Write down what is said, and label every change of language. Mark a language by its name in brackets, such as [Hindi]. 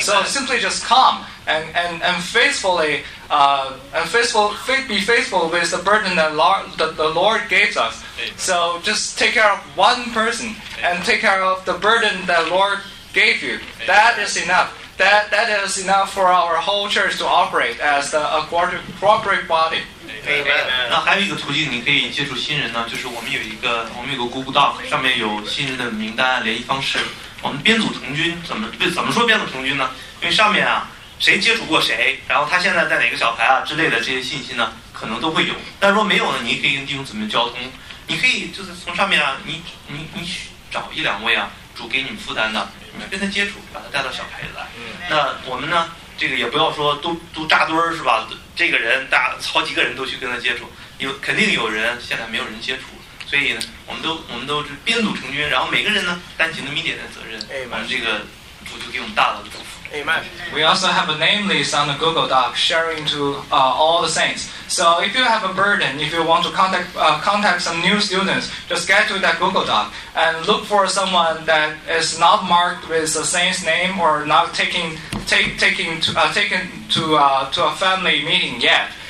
[English] So simply just come be faithful with the burden that the Lord gives us. Amen. So just take care of one person and take care of the burden that Lord gave you. Amen. That is enough. That is enough for our whole church to operate as a corporate body. Amen. [Chinese] 那还有一个途径你可以接触新人呢，就是我们有个 Google Doc， 上面有新人的名单、联系方式。我们编组成军，怎么说编组成军呢？因为上面啊，谁接触过谁，然后他现在在哪个小排啊之类的这些信息呢，可能都会有。但如果没有呢，你可以跟弟兄姊妹交通，你可以就是从上面啊，你找一两位啊，主给你们负担的，跟他接触，把他带到小排来。那我们呢，这个也不要说都扎堆儿是吧，这个人大好几个人都去跟他接触，有肯定有人现在没有人接触，所以呢我们都是编组成军，然后每个人呢担起那么一点的责任，我们这个主就给我们大大的祝福。 [English] Amen. We also have a name list on the Google Doc sharing to all the saints. So if you have a burden, if you want to contact some new students, just get to that Google Doc and look for someone that is not marked with a saint's name or not taken to a family meeting yet.